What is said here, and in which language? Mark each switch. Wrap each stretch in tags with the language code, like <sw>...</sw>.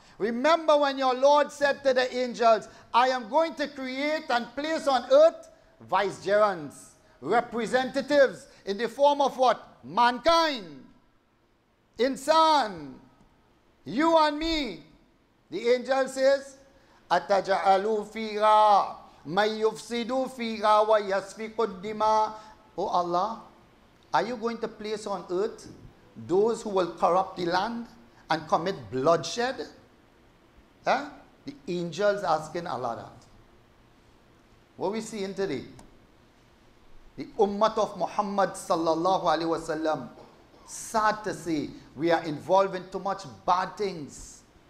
<en>Remember when your Lord said to the angels, I am going to create and place on earth vicegerents, representatives in the form of what? Mankind, insan, you and me. The angel says,</en> <ar>أَتَجَعَلُوا فِيهَا مَنْ يُفْسِدُوا فِيهَا وَيَسْفِقُ الدِّمَاءَ.</ar> <en>Oh Allah, are you going to place on earth those who will corrupt the land and commit bloodshed? Huh? The angels asking Allah that. What we see in today? The ummah of Muhammad sallallahu alaihi wasallam. Sad to say, we are involved in too much bad things.</en>